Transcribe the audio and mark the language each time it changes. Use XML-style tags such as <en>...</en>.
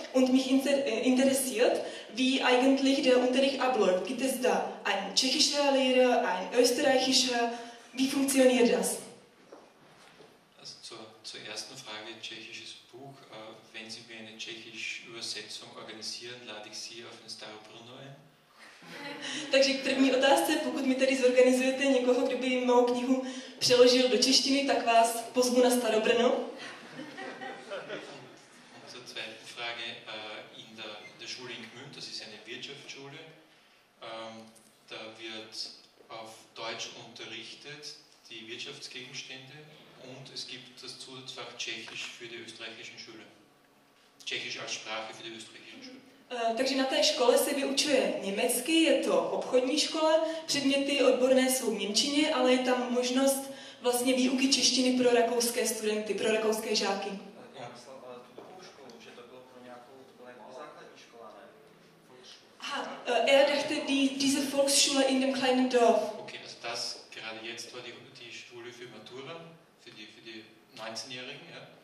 <de>Und mich interessiert, wie eigentlich der Unterricht abläuft. Gibt es da einen tschechischen Lehrer, einen österreichischen? Wie funktioniert das? Also zur ersten Frage, tschechisches Buch. Wenn Sie mir eine tschechische Übersetzung organisieren, lade ich Sie auf den Starobrunno ein.</de> <cs>Takže k první otázce, pokud mi tedy zorganizujete někoho, kdo by mou knihu přeložil do češtiny, tak vás pozvu na Starobrno.</cs> <de>Zur zweiten Frage, in der Schule in Gmünd, das ist eine Wirtschaftsschule, da wird auf Deutsch unterrichtet, die Wirtschaftsgegenstände, und es gibt das Zusatzfach Tschechisch für die österreichischen Schüler. Tschechisch als Sprache für die österreichischen Schüler.</de> <cs>Takže na té škole se vyučuje německy, je to obchodní škola, předměty odborné jsou v němčině, ale je tam možnost vlastně výuky češtiny pro rakouské studenty, pro rakouské žáky. Já myslel tu druhou školu, že to bylo pro nějakou, to byla jako základní škola, ne?</cs> <de>Volksschule. Aha, dachte diese Volksschule in dem kleinen Dorf. Ok, also das gerade jetzt war die Schule für Matura, für die 19-Jährigen, ja?</de>